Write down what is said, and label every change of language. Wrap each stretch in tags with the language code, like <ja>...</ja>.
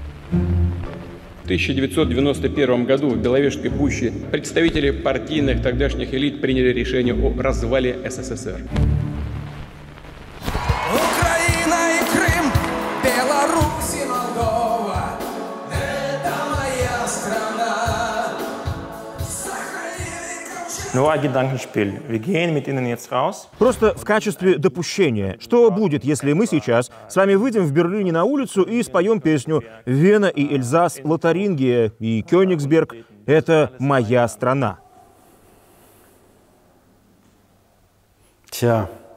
<ru>В 1991 году в Беловежской пуще представители партийных тогдашних элит приняли решение о развале СССР. Украина и Крым, Беларусь и Молдова, это моя страна. Ну а</ru> <de>Геданкеншпиль, wir gehen mit Ihnen jetzt raus.</de> <ru>Просто в качестве допущения, что будет, если мы сейчас с вами выйдем в Берлине на улицу и споем песню «Вена и Эльзас, Лотарингия и Кёнигсберг – это моя страна». Тя.</ru>